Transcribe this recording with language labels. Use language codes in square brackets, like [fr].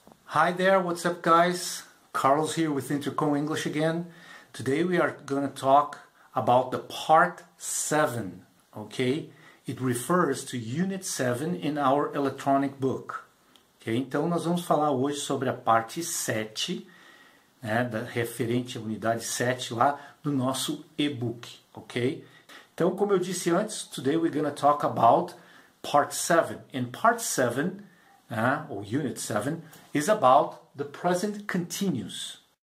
[en] Hi there, what's up guys? Carlos here with INTERCOM English again. Today we are going to talk about the part 7, okay? It refers to unit 7 in our electronic book. [pt] Okay, então nós vamos falar hoje sobre a parte 7, né, da referente à unidade 7 lá do nosso e-book, ok? Então, como eu disse antes, [en] today we're going to talk about part 7. And part 7, or unit 7, is about the present continuous.